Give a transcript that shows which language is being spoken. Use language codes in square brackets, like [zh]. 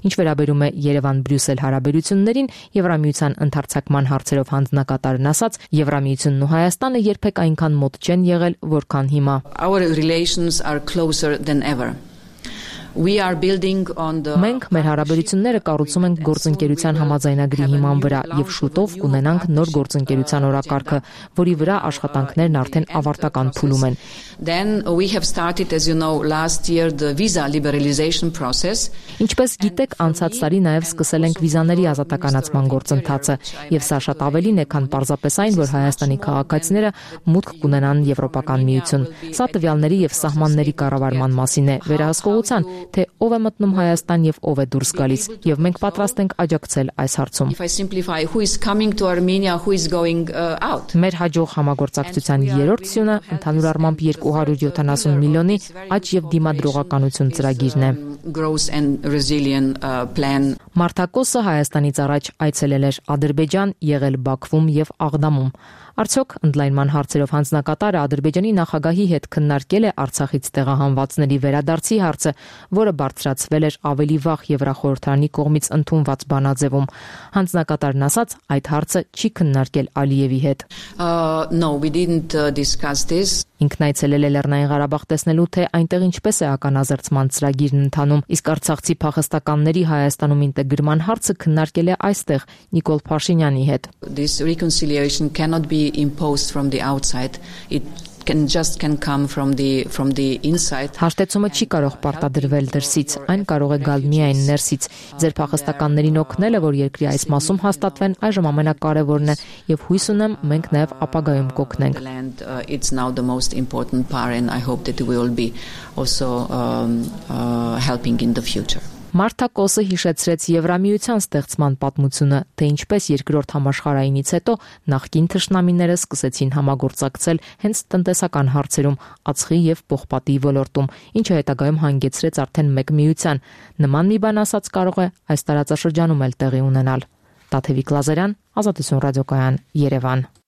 [hy] Ինչ վերաբերում է Երևան-Բրյուսել հարաբերություններին, Եվրամիության ընդարձակման հարցերով հանձնակատարն ասաց, Եվրամիությունն ու Հայաստանը երբեք այնքան մոտ չեն եղել, որքան հիմա։ [en] Our relations are closer than ever. We are building on the [hy] Մենք մեր հարաբերությունները կառուցում ենք գործընկերության համաձայնագրի հիման վրա եւ շուտով կունենանք նոր գործընկերության օրակարգը, որի վրա աշխատանքներն արդեն ավարտական փուլում են։ [en] Then we have started, as you know, last year the visa liberalization process. [hy] Ինչպես գիտեք, անցած տարի նաեւ սկսել ենք վիզաների ազատականացման գործընթացը, եւ սա շատ ավելին է, քան պարզապես այն, որ հայաստանի քաղաքացիները մուտք կունենան եվրոպական միություն։ Սա տվյալների եւ սահմանների կառավարման մասին է, վերահսկողության, թե ով է մտնում Հայաստան եւ ով է դուրս գալիս, եւ մենք պատրաստ ենք աջակցել այս հարցում։ [en] If I simplify, who is coming to Armenia, who is going out? [hy] Մեր հաջող համագործակցության երրորդ սյունը ընդհանուր առմամբ 270 միլիոնի աճ եւ դիմադրողականություն ծրագիրն է։ Մարթա Կոսը Հայաստանից առաջ այցելել էր Ադրբեջան, եղել Բաքվում եւ Աղդամում։ Արդյոք ընդլայնման հարցերով հանձնակատարը Ադրբեջանի նախագահի հետ քննարկել է Արցախից տեղահանվածների վերադարձի հարցը, որը բարձրացվել էր ավելի վաղ Եվրախորհրդարանի կողմից ընդունված բանաձևում։ Հանձնակատարն ասաց, այդ հարցը չի քննարկել Ալիևի հետ։ [en] No, we didn't discuss this. [hy] Ինքն այցելել է Լեռնային Ղարաբաղ տեսնելու, թե այնտեղ ինչպես է ականազերծման ծրագիրն ընթանում, իսկ Արցախցի փախստականների Հայաստանում ինտեգրման հարցը քննարկել է այստեղ Նիկոլ Փաշինյանի հետ։ [en] This reconciliation cannot be imposed from the outside. It can come from the inside. [hy] Հաշտեցումը չի կարող պարտադրվել դրսից, այն կարող է գալ միայն ներսից։ Ձեր փախստականներին օգնելը, որ երկրի այս մասում հաստատվեն, այժմ ամենակարևորն է, եւ հույս ունեմ, մենք նաեւ ապագայում կօգնենք։ [en] It's now the most important part and I hope that we will be also helping in the future. [hy] Մարթա Կոսը հիշեցրեց Եվրամիության ստեղծման պատմությունը, թե ինչպես երկրորդ համաշխարհայինից հետո նախկին թշնամիները սկսեցին համագործակցել հենց տնտեսական հարցերում, ածխի և պողպատի ոլորտում, ինչը հետագայում հանգեցրեց արդեն մեկ միության։ Նման մի բան ասած կարող է այս տարածաշրջանում էլ տեղի ունենալ։ Տաթևիկ Լազարյան, Ազատություն ռադիոկայան, Երևան։